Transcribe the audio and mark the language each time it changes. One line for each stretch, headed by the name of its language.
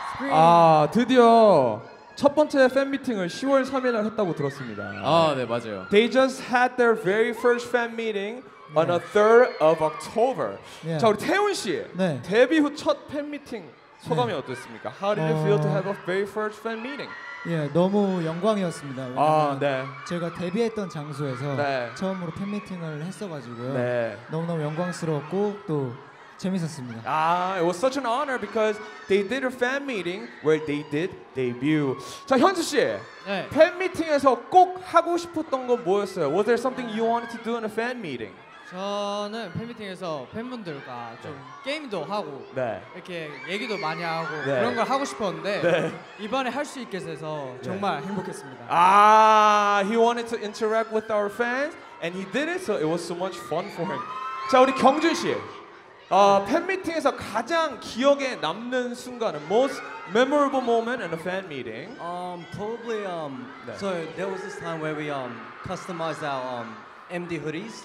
Korean: 아, 드디어 첫 번째 팬미팅을 10월 3일에 했다고 들었습니다. 아, 네, 맞아요.
English: They just had their very first fan meeting on the 3rd of October.
Korean: Yeah. 자, 우리 태훈 씨. 네. 데뷔 후 첫 팬미팅 소감이 네. 어땠습니까?
English: How did you feel to have a very first fan meeting?
Korean: 예, 너무 영광이었습니다. 아, 네. 제가 데뷔했던 장소에서 네. 처음으로 팬미팅을 했어가지고요. 네. 너무너무 영광스러웠고 또 재밌었습니다.
English: Ah, it was such an honor because they did a fan meeting where they did debut.
Korean: 자, 현수 씨. 네. 팬 미팅에서 꼭 하고 싶었던 건 뭐였어요?
English: Was there something you wanted to do in a fan meeting?
Korean: 저는 팬 미팅에서 팬분들과 좀 네. 게임도 하고 네. 이렇게 얘기도 많이 하고 네. 그런 걸 하고 싶었는데 네. 이번에 할 수 있게 돼서 정말 네. 행복했습니다.
English: Ah, he wanted to interact with our fans and he did it, so it was so much fun for him.
Korean: 자, 우리 경준 씨. 팬미팅에서 가장 기억에 남는 순간은
English: most memorable moment in a fan meeting. Probably so there was this time where we customized our MD hoodies.